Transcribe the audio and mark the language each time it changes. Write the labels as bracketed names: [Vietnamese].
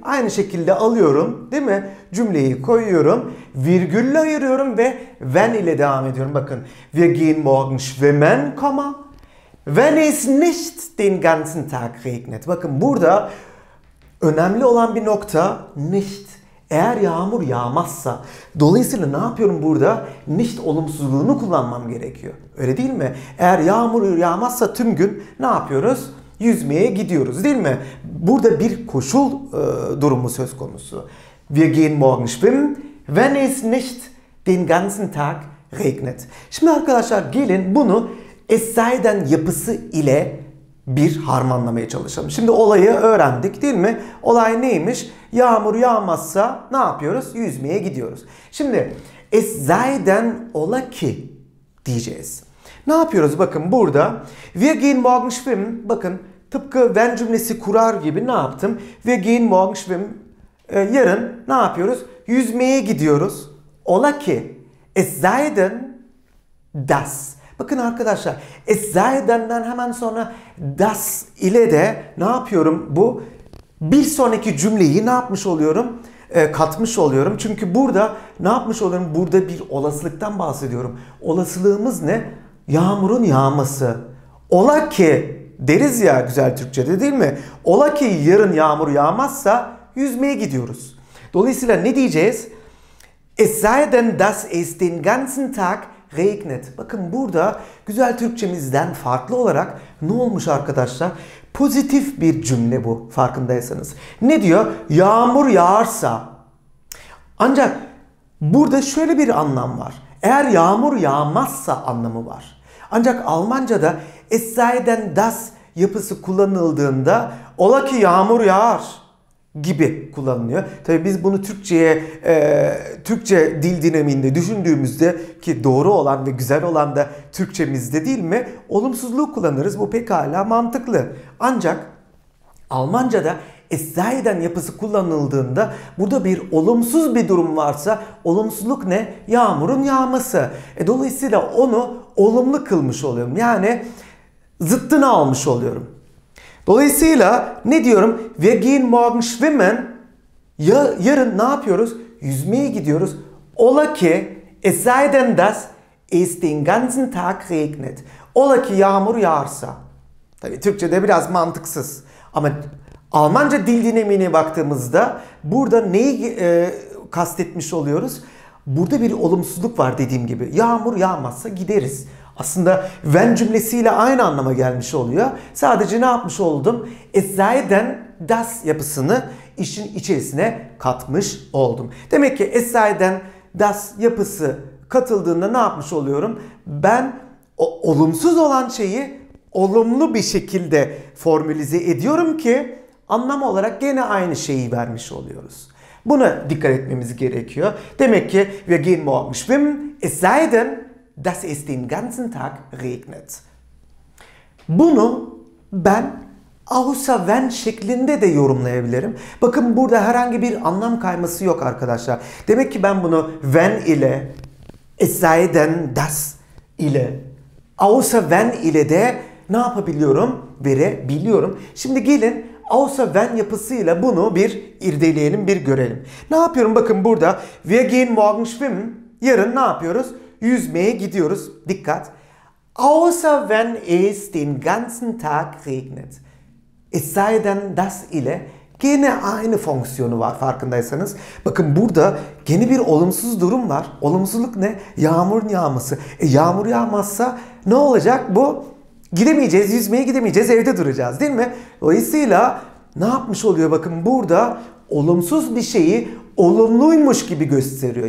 [Turkish] Aynı şekilde alıyorum, değil mi? Cümleyi koyuyorum, virgülle ayırıyorum ve wenn ile devam ediyorum. Bakın, [German] wir gehen morgen schwimmen, wenn es nicht den ganzen Tag regnet. [Turkish] Bakın burada önemli olan bir nokta nicht. Eğer yağmur yağmazsa. Dolayısıyla ne yapıyorum burada? Nicht olumsuzluğunu kullanmam gerekiyor. Öyle değil mi? Eğer yağmur yağmazsa tüm gün ne yapıyoruz? Yüzmeye gidiyoruz değil mi? Burada bir koşul durumu söz konusu. [German] Wir gehen morgen schwimmen, wenn es nicht den ganzen Tag regnet. [Turkish] Şimdi arkadaşlar gelin bunu es sei denn yapısı ile bir harmanlamaya çalışalım. Şimdi olayı öğrendik değil mi? Olay neymiş? Yağmur yağmazsa ne yapıyoruz? Yüzmeye gidiyoruz. Şimdi es sei denn ola ki diyeceğiz. Ne yapıyoruz? Bakın burada [German] wir gehen morgen schwimmen. [Turkish] Bakın tıpkı wenn cümlesi kurar gibi ne yaptım? [German] Wir gehen morgen schwimmen. [Turkish] Yarın ne yapıyoruz? Yüzmeye gidiyoruz. Ola ki es sei denn das. Bakın arkadaşlar, es sei denn'den hemen sonra das ile de ne yapıyorum bu? Bir sonraki cümleyi ne yapmış oluyorum? Katmış oluyorum. Çünkü burada ne yapmış oluyorum? Burada bir olasılıktan bahsediyorum. Olasılığımız ne? Yağmurun yağması. Ola ki deriz ya güzel Türkçe'de değil mi? Ola ki yarın yağmur yağmazsa yüzmeye gidiyoruz. Dolayısıyla ne diyeceğiz? [German] Es sei denn das ist den ganzen Tag regnet. [Turkish] Bakın burada güzel Türkçemizden farklı olarak ne olmuş arkadaşlar? Pozitif bir cümle bu, farkındaysanız. Ne diyor? Yağmur yağarsa. Ancak burada şöyle bir anlam var. Eğer yağmur yağmazsa anlamı var. Ancak Almanca'da es sei denn das yapısı kullanıldığında ola ki yağmur yağar gibi kullanılıyor. Tabi biz bunu Türkçe'ye, Türkçe dil dinamiğinde düşündüğümüzde, ki doğru olan ve güzel olan da Türkçemizde değil mi? Olumsuzluğu kullanırız. Bu pekala mantıklı. Ancak Almanca'da es sei denn yapısı kullanıldığında burada bir olumsuz bir durum varsa, olumsuzluk ne? Yağmurun yağması. Dolayısıyla onu olumlu kılmış oluyorum. Yani zıttını almış oluyorum. Dolayısıyla ne diyorum? [German] Wir gehen morgen schwimmen. [Turkish] Yarın ne yapıyoruz? Yüzmeye gidiyoruz. Ola ki [German] es sei denn das ist den ganzen Tag regnet. [Turkish] Ola ki yağmur yağarsa. Tabii Türkçe'de biraz mantıksız. Ama Almanca dil dinamiğine baktığımızda burada neyi kastetmiş oluyoruz? Burada bir olumsuzluk var dediğim gibi. Yağmur yağmazsa gideriz. Aslında wenn cümlesiyle aynı anlama gelmiş oluyor. Sadece ne yapmış oldum? Es sei denn das yapısını işin içerisine katmış oldum. Demek ki es sei denn das yapısı katıldığında ne yapmış oluyorum? Ben olumsuz olan şeyi olumlu bir şekilde formülize ediyorum ki anlam olarak gene aynı şeyi vermiş oluyoruz. Buna dikkat etmemiz gerekiyor. Demek ki [German] wir gehen morgen schwimmen, es sei denn, dass es den ganzen Tag regnet. [Turkish] Bunu ben außer wenn şeklinde de yorumlayabilirim. Bakın burada herhangi bir anlam kayması yok arkadaşlar. Demek ki ben bunu wenn ile, es sei denn, dass ile, außer wenn ile de ne yapabiliyorum? Verebiliyorum. Şimdi gelin außer wenn yapısıyla bunu bir irdeleyelim, bir görelim. Ne yapıyorum? Bakın burada [German] wir gehen morgen schwimmen. [Turkish] Yarın ne yapıyoruz? Yüzmeye gidiyoruz. Dikkat. [German] Außer wenn es den ganzen Tag regnet. [Turkish] Es sei denn das ile gene aynı fonksiyonu var farkındaysanız. Bakın burada gene bir olumsuz durum var. Olumsuzluk ne? Yağmurun yağması. Yağmur yağmazsa ne olacak bu? Gidemeyeceğiz, yüzmeye gidemeyeceğiz, evde duracağız değil mi? Dolayısıyla ne yapmış oluyor bakın burada olumsuz bir şeyi olumluymuş gibi gösteriyor.